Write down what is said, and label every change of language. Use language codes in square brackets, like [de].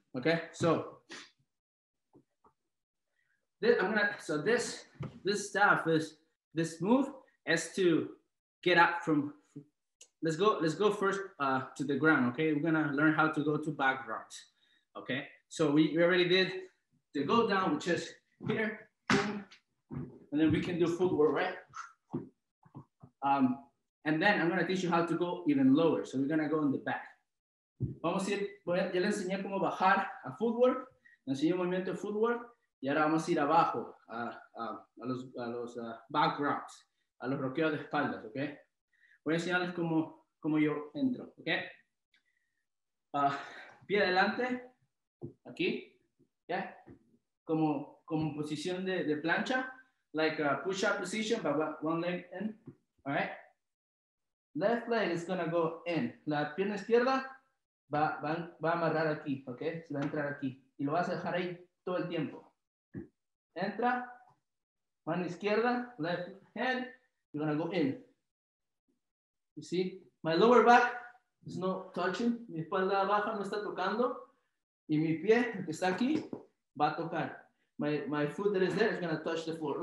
[en] Okay, so this move is to get up from, let's go first to the ground. Okay, we're gonna learn how to go to back rocks. Okay, so we already did the go down, which is here, and then we can do footwork, right? And then I'm gonna teach you how to go even lower. So we're gonna go in the back. [es] Vamos a ir, ya le enseñé cómo bajar a footwork. Le enseñé un movimiento de footwork. Y ahora vamos a ir abajo a los back rocks, a los roqueos de espaldas, ¿ok? Voy a enseñarles cómo yo entro, ¿ok? Pie adelante, aquí, ¿ok? [en] Yeah. [es] Como posición de plancha, [en] like a push-up position, but one leg in, all right? Left leg is gonna go in. [es] La pierna izquierda va a amarrar aquí, okay? Se va a entrar aquí. Y lo vas a dejar ahí todo el tiempo. Entra, mano izquierda, [en] left hand, you're gonna go in. You see? My lower back is not touching. [es] Mi espalda baja no está tocando. Y mi pie, que está aquí, va a tocar. [en] My foot that is there is gonna touch the floor.